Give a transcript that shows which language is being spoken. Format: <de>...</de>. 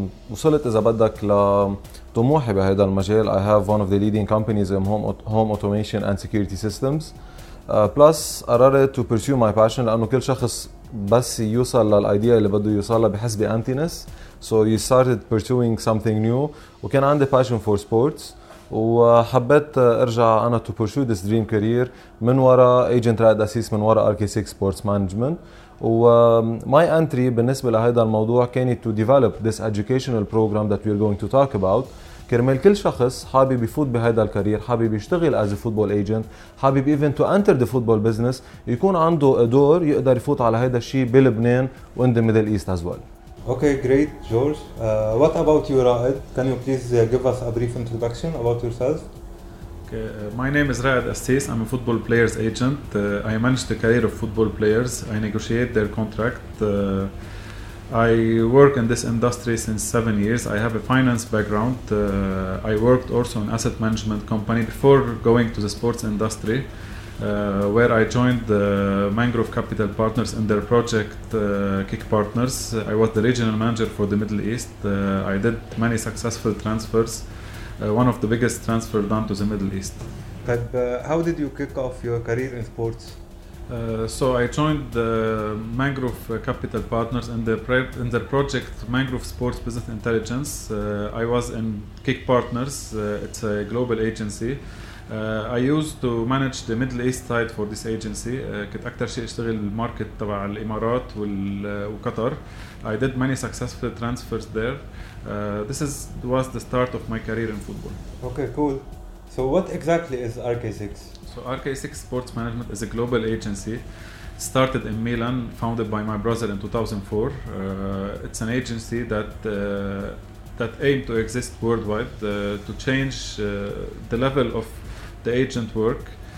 <ar>وصلت إذا بدك لطموحي بهذا المجال.</ar> <en>I have one of the leading companies in home automation and security systems.</en> <ar>Plus, قررت</ar> <en>to pursue my passion</en> <ar>لأنه كل شخص بس يوصل للأيديا اللي بده يوصلها بحس بأمتينس.</ar> <en>So you started pursuing something new.</en> <ar>وكان عندي</ar> <en>passion for sports.</en> <ar>وحبيت أرجع أنا</ar> <en>to pursue this dream career</en> <ar>من وراء</ar> <en>agent red assist من وراء RK6 sports management. My entry</en> <ar>بالنسبة لهذا الموضوع</ar> <en>كانت to develop this educational program that we're going to talk about.</en> <ar>كرمال كل شخص حابب يفوت بهذا الكارير, حابب يشتغل</ar> <en>as a football agent,</en> <ar>حابب</ar> <en>even to enter the football business,</en> <ar>يكون عنده دور يقدر يفوت على هذا الشيء بلبنان و</ar> <en>in the Middle East as well. Okay, great, George. What about you, Raed? Can you please give us a brief introduction about yourself? Okay, my name is Raed Assis. I'm a football player's agent. I manage the career of football players. I negotiate their contract. I work in this industry since 7 years. I have a finance background. I worked also in asset management company before going to the sports industry, where I joined the Mangrove Capital Partners in their project Kick Partners. I was the regional manager for the Middle East. I did many successful transfers, one of the biggest transfers done to the Middle East. But how did you kick off your career in sports? So I joined the Mangrove Capital Partners in the project Mangrove Sports Business Intelligence. I was in Kick Partners. It's a global agency. I used to manage the Middle East side for this agency.</en> <ar>كنت أكتر شيء أشتغل الماركت تبع الإمارات وقطر.</ar> <en>I did many successful transfers there. This was the start of my career in football. Okay, cool. So what exactly is RK6? So RK6 Sports Management is a global agency started in Milan, founded by my brother in 2004. It's an agency that aimed to exist worldwide, to change the level of the agent work.</en>